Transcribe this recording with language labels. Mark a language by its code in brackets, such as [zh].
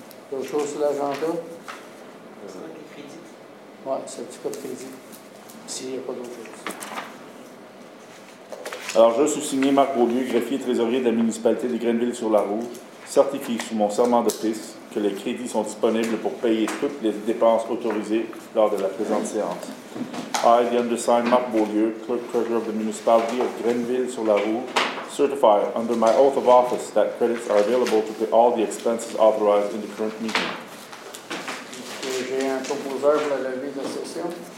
[fr] D'autres choses sur l'agenda? Alors, je suis signé Marc Beaulieu, greffier trésorier de la municipalité de Grenville-sur-la-Rouge, certifie sous mon serment d'office que les crédits sont disponibles pour payer toutes les dépenses autorisées lors de la présente séance. [en] I, the undersigned Marc Beaulieu, clerk treasurer of the municipality of Grenville-sur-la-Rouge, certify under my oath of office that credits are available to pay all the expenses authorized in the current meeting. [fr] J'ai un proposeur pour la levée de la session.